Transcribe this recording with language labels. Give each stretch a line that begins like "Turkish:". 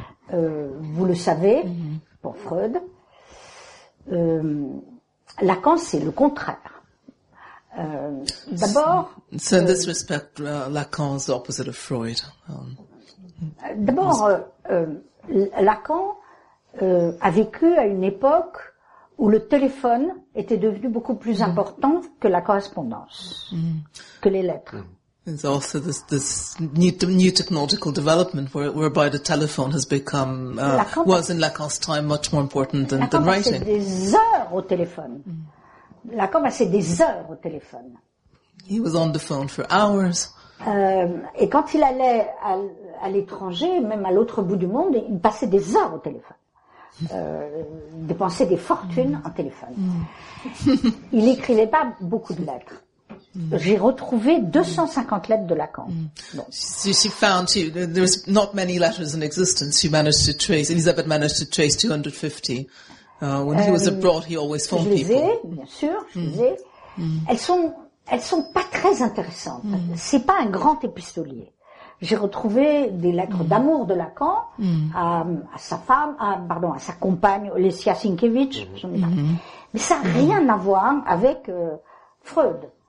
French: Vous le savez, pour Freud, Lacan, c'est le contraire. D'abord.
English: So in this respect, Lacan is the opposite of Freud.
French: Lacan a vécu à une époque où le téléphone était devenu beaucoup plus important que la correspondance, que les lettres.
English: There's also this new technological development whereby the telephone has become was in Lacan's time much more important than writing.
French: Lacan passait des heures au téléphone. Lacan passait des heures au téléphone.
English: He was on the phone for hours.
French: Et quand il allait à l'étranger, même à l'autre bout du monde, il passait des heures au téléphone. Dépensait des fortunes en téléphone. Il n'écrivait pas beaucoup de lettres. J'ai retrouvé 250 lettres de Lacan.
English: She found too, there's not many letters in existence. She managed to trace, Elizabeth managed to trace 250. When he was abroad, he always phoned people.
French: Je les ai, bien sûr, je les ai. Elles sont pas très intéressantes. C'est pas un grand épistolier. J'ai retrouvé des lettres d'amour de Lacan à sa compagne Olesya Sinkevich. Mais ça n'a rien à voir avec Freud.